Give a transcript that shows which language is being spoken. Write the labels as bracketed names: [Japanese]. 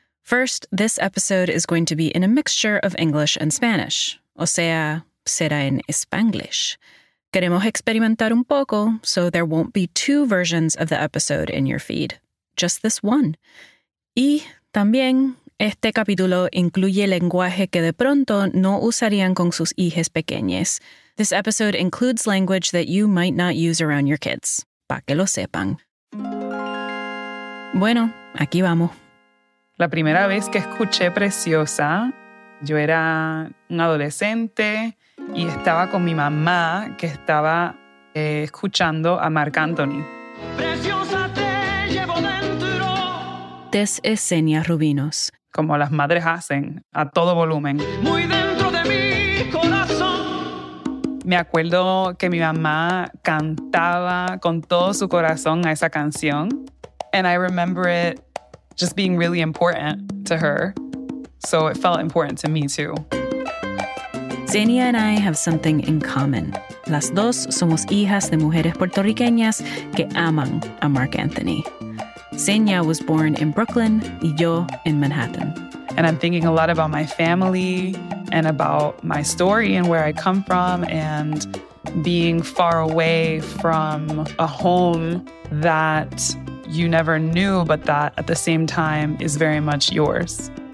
[English] First, this episode is going to be in a mixture of English and Spanish. [Spanish] O sea, será en Spanglish. Queremos experimentar un poco, [English] so there won't be two versions of the episode in your feed. Just this one. [Spanish] Y también, este capítulo incluye lenguaje que de pronto no usarían con sus hijas pequeñas. [English] This episode includes language that you might not use around your kids. [Spanish] Pa' que lo sepan. Bueno, aquí vamos. La primera vez que escuché Preciosa, yo era un adolescente y estaba con mi mamá que estaba escuchando a Marc Anthony. Preciosa te llevo dentro. [English] This is Zenia Rubinos. [Spanish] Como las madres hacen, a todo volumen. Muy dentro de mi corazón. Me acuerdo que mi mamá cantaba con todo su corazón a esa canción. [English] And I remember it just being really important to her. So it felt important to me too. Zenia and I have something in common. [Spanish] Las dos somos hijas de mujeres puertorriqueñas que aman a Marc Anthony. [English] Zenia was born in Brooklyn y yo in Manhattan. And I'm thinking a lot about my family and about my story and where I come from and being far away from a home that you never knew, but that at the same time is very much yours.